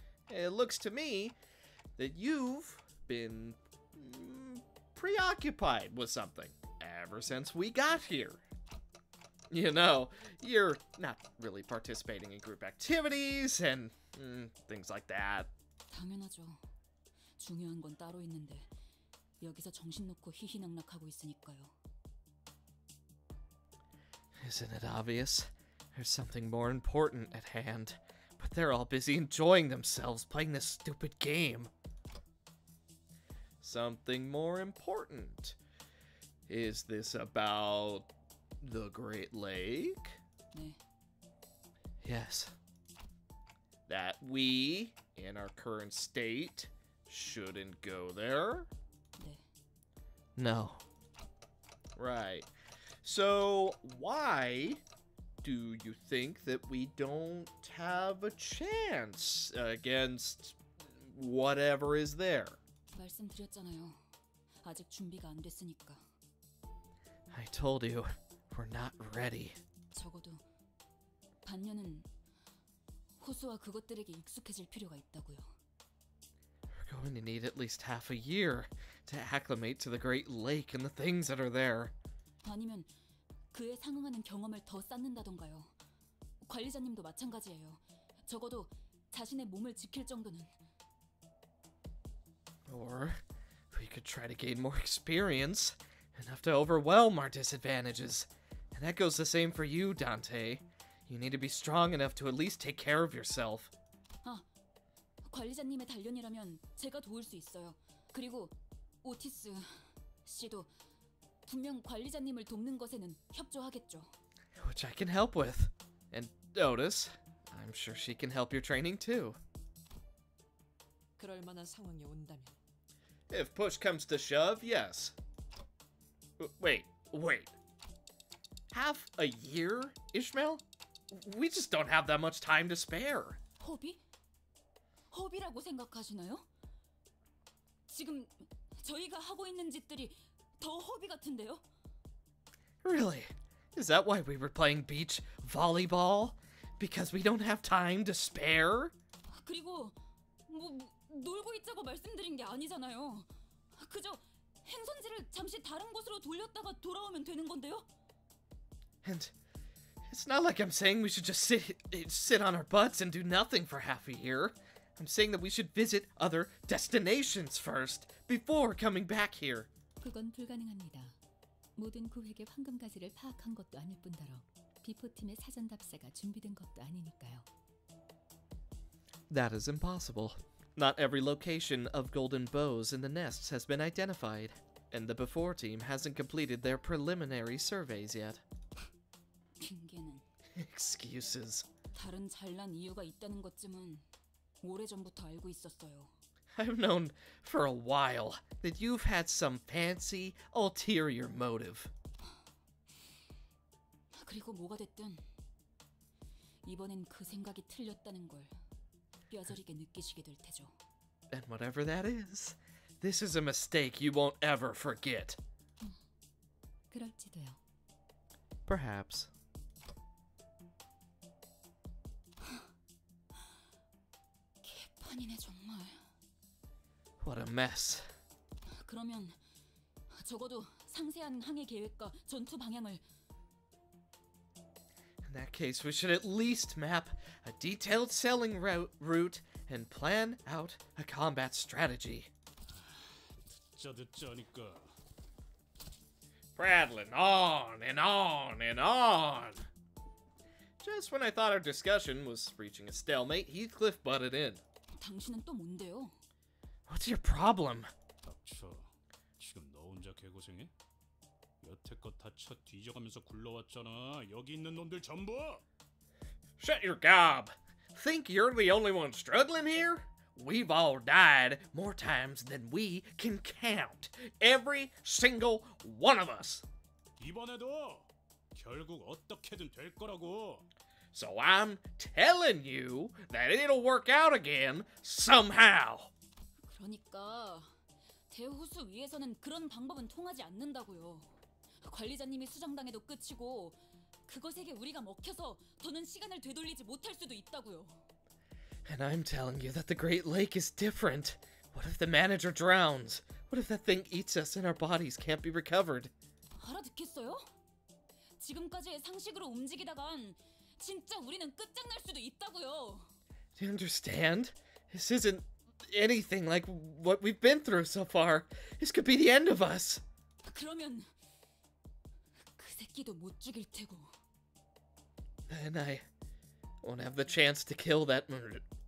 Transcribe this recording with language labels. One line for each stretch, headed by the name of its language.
English: It looks to me that you've been preoccupied with something. Ever since we got here. You know, you're not really participating in group activities and things like that.
Korean: 당연하죠. 중요한 건 따로 있는데 여기서 정신 놓고 희희낙낙하고 있으니까요.
English: Isn't it obvious? There's something more important at hand, but they're all busy enjoying themselves playing this stupid game. Something more important. Is this about the Great Lake?
Korean: 네.
English: Yes. That we, in our current state, shouldn't go there?
Korean: 네.
English: No. Right. So, why do you think that we don't have a chance against whatever is there?
Korean: 말씀드렸잖아요. 아직 준비가 안 됐으니까.
English: I told you, we're not ready.
Korean: 적어도 반년은 호수와 그것들에게 익숙해질 필요가 있다고요.
English: We're going to need at least half a year to acclimate to the Great Lake and the things that are there.
Korean: 아니면 그에 상응하는 경험을 더 쌓는다던가요. 관리자님도 마찬가지예요. 적어도 자신의 몸을 지킬 정도는.
English: Or we could try to gain more experience, enough to overwhelm our disadvantages. And that goes the same for you, Dante. You need to be strong enough to at least take care of yourself.
Korean: 아, 관리자님의 단련이라면 제가 도울 수 있어요. 그리고 오티스 씨도 분명 관리자님을 돕는 것에는 협조하겠죠.
English: Which I can help with. And Otis, I'm sure she can help your training too.
Korean: 그럴 만한 상황이 온다면.
English: If push comes to shove, yes. Wait. Half a year, Ishmael? We just don't have that much time to spare.
Korean: 호비? 호비라고 생각하시나요? 지금 저희가 하고 있는 짓들이 더 호비 같은데요?
English: Really? Is that why we were playing beach volleyball? Because we don't have time to spare?
Korean: 그리고 뭐 놀고 있자고 말씀드린 게 아니잖아요. 그저 행선지를 잠시 다른 곳으로 돌렸다가 돌아오면 되는 건데요?
English: And it's not like I'm saying we should just sit on our butts and do nothing for half a year. I'm saying that we should visit other destinations first before coming back here.
Korean: 그건 불가능합니다. 모든 구획의 황금 가지를 파악한 것도 아닐 뿐더러 비포팀의 사전 답사가 준비된 것도 아니니까요.
English: That is impossible. Not every location of golden bows in the nests has been identified, and the before team hasn't completed their preliminary surveys yet.
Korean: 핑계는
English: excuses.
Korean: 다른 잘난 이유가 있다는 것쯤은 오래전부터 알고 있었어요.
English: I've known for a while that you've had some fancy ulterior motive.
Korean: 그리고 뭐가 됐든 이번엔 그 생각이 틀렸다는 걸 뼈저리게 느끼시게 될 테죠.
English: And whatever that is, this is a mistake you won't ever forget.
Korean: 그럴지도요.
English: Perhaps.
Korean: 개판이네 정말.
English: What a mess.
Korean: 그러면 적어도 상세한 항해 계획과 전투 방향을.
English: In that case, we should at least map a detailed sailing route and plan out a combat strategy.
Korean: 듣자니까.
English: Prattling on and on and on. Just when I thought our discussion was reaching a stalemate, Heathcliff butted in.
Korean: 당신은 또 뭔데요?
English: What's your problem?
Korean: 닥쳐. 지금 너 혼자 개고생해? 여태껏 다 쳐 뒤져가면서 굴러왔잖아. 여기 있는 놈들 전부.
English: Shut your gob. Think you're the only one struggling here? We've all died more times than we can count. Every single one of us.
Korean: 이번에도 결국 어떻게든 될 거라고.
English: So I'm telling you that it'll work out again somehow.
Korean: 그러니까 대호수 위에서는 그런 방법은 통하지 않는다고요. 관리자님이 수정당해도 끝이고 그것에게 우리가 먹혀서 더는 시간을 되돌리지 못할 수도 있다고요.
English: And I'm telling you that the Great Lake is different. What if the manager drowns? What if that thing eats us and our bodies can't be recovered?
Korean: 알아듣겠어요? 지금까지의 상식으로 움직이다간 진짜 우리는 끝장날 수도 있다고요.
English: Do you understand? This isn't anything like what we've been through so far. This could be the end of us.
Korean: 그러면 그 새끼도 못 죽일 테고.
English: Then I won't have the chance to kill that murder.